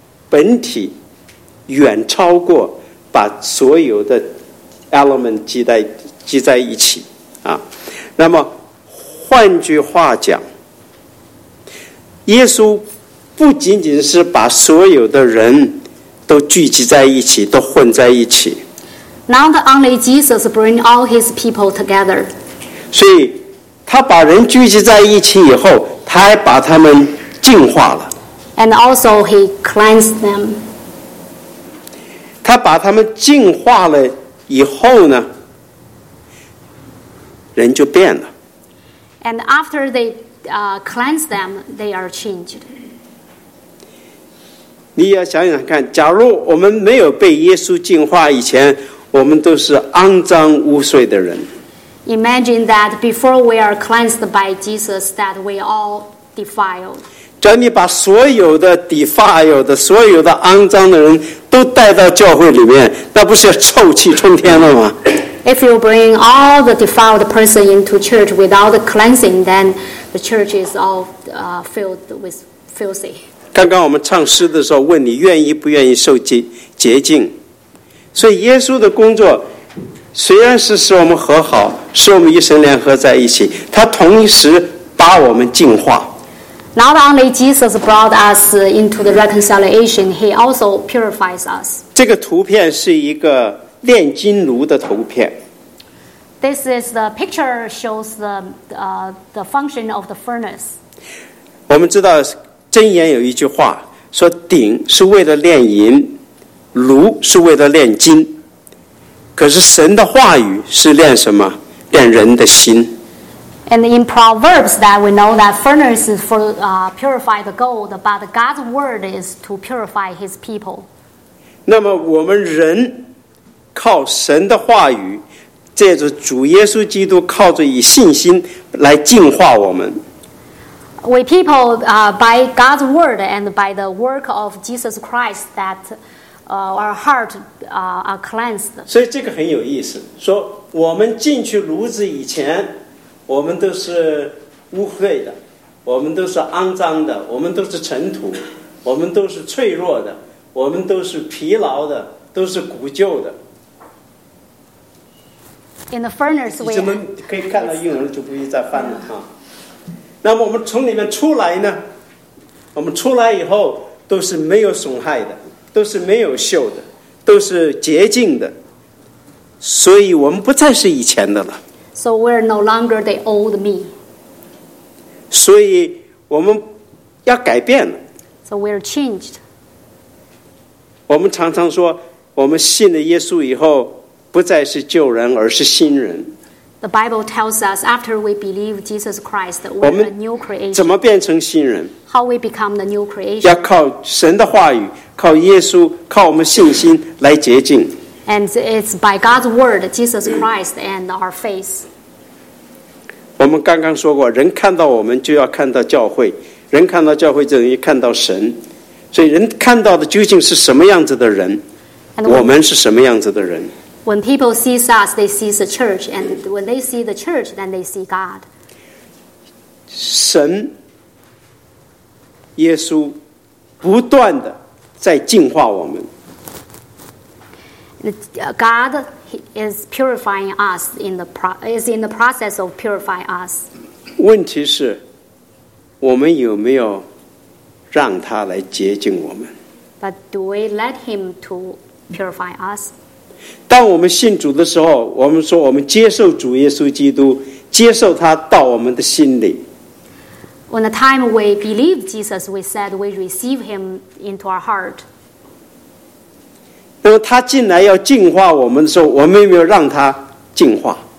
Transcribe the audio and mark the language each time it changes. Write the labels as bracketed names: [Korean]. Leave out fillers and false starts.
[Chinese] 本体远超过把所有的 element 集在一起。那么换句话讲，耶稣不仅仅是把所有的人都聚集在一起，都混在一起。 [English] Not only Jesus bring all his people together. [Chinese] 所以他把人聚集在一起以后，他还把他们净化了。 [English] And also he cleansed them. [Chinese] 他把他们净化了以后呢，人就变了。 [English] And after they cleanse them, they are changed. [Chinese] 你要想想看，假如我们没有被耶稣净化以前，我们都是肮脏污秽的人。 [English] Imagine that before we are cleansed by Jesus, that we all defiled. [Chinese] 只要你把所有的 defiled 的、所有的肮脏的人都带到教会里面，那不是臭气冲天了吗？ [English] If you bring all the defiled person into church without the cleansing, then the church is all filled with filthy. [Chinese] 刚刚我们唱诗的时候问你愿意不愿意受洁净，所以耶稣的工作虽然是使我们和好，使我们与神联合在一起，他同时把我们净化。 [English] Not only Jesus brought us into the reconciliation, he also purifies us. [Chinese] 这个图片是一个炼金炉的图片。 [English] This is the picture shows the function of the furnace. [Chinese] 我们知道箴言有一句话说鼎是为了炼银，炉是为了炼金。可是神的话语是炼什么？炼人的心。 [English] And in Proverbs that we know that furnace is for purify the gold, but God's word is to purify his people. [Chinese] 那么我们人靠神的话语借着主耶稣基督靠着以信心来净化我们。 [English] We people, by God's word and by the work of Jesus Christ, that, our heart, are cleansed. [Chinese] 所以这个很有意思，说我们进去炉子以前，我们都是污秽的，我们都是肮脏的，我们都是尘土，我们都是脆弱的，我们都是疲劳的，都是古旧的。 [English] In the furnace, we. [Chinese] 你们可以看到英文就不必再翻了哈。那么我们从里面出来呢，我们出来以后都是没有损害的，都是没有锈的，都是洁净的，所以我们不再是以前的了。 [English] So we're no longer the old me. [Chinese] 所以我们要改变了。 [English] So we're changed. [Chinese] 我们常常说我们信了耶稣以后不再是旧人，而是新人。 [English] The Bible tells us after we believe Jesus Christ, we're a new creation. [Chinese] 怎么变成新人？ [English] How we become the new creation? [Chinese] 要靠神的话语，靠耶稣，靠我们信心来洁净。 [English] And it's by God's word, Jesus Christ, and our faith. [Chinese] 我们刚刚说过，人看到我们就要看到教会，人看到教会就等于看到神，所以人看到的究竟是什么样子的人？ [English] And [Chinese] 我们是什么样子的人？ [English] When people see us, they see the church, and when they see the church, then they see God. [Chinese] 神，耶稣不断的在净化我们。 [English] God is purifying us in the process of purifying us. [Chinese] 问题是，我们有没有让他来洁净我们？ [English] But do we let him to purify us? [Chinese] 当我们信主的时候，我们说我们接受主耶稣基督，接受他到我们的心里。 [English] When the time we believe Jesus, we said we receive him into our heart. [Chinese] 那么他进来要净化我们的时候，我们有没有让他净化